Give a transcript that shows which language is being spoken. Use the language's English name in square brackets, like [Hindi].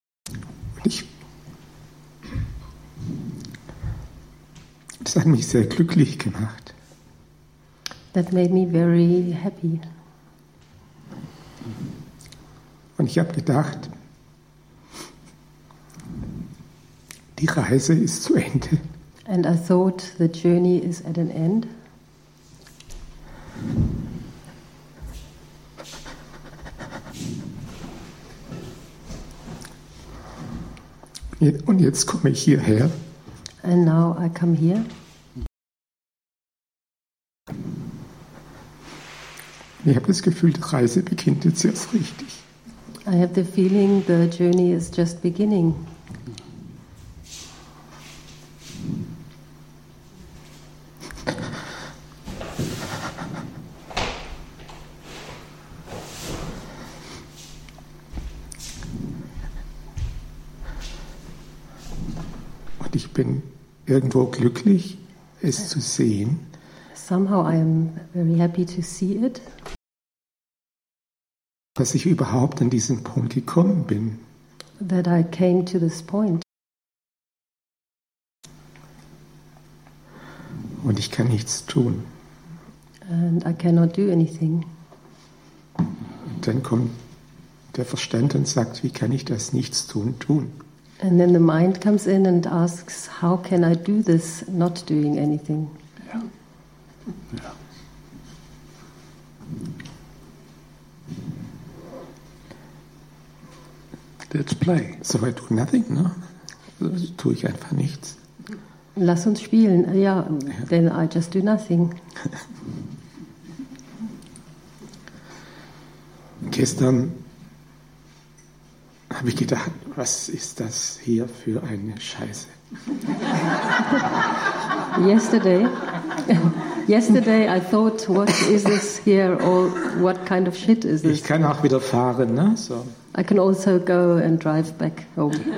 [German] Und ich, das hat mich sehr glücklich gemacht. [English] That made me very happy. [German] Und ich habe gedacht, die Reise ist zu Ende. [English] And I thought the journey is at an end. [German] Und jetzt komme ich hierher. [English] And now I come here. [German] Ich habe das Gefühl, die Reise beginnt jetzt erst richtig. [English] I have the feeling the journey is just beginning. [German] Und ich bin irgendwo glücklich, es zu sehen. [English] Somehow I am very happy to see it. [German] Dass ich überhaupt an diesen Punkt gekommen bin. [English] That I came to this point. [German] Und ich kann nichts tun. [English] And I cannot do anything. [German] Und dann kommt der Verstand und sagt, wie kann ich das Nichtstun tun? [English] And then the mind comes in and asks, how can I do this not doing anything? Let's play. So I do nothing, no? [German] Das tue ich einfach nichts. Lass uns spielen, ja. [English] Then I just do nothing. [German] Gestern habe ich gedacht, was ist das hier für eine Scheiße? [English] Yesterday I thought, what is this here or what kind of shit is this? [German] Ich kann auch wieder fahren, ne? So. [English] I can also go and drive back home.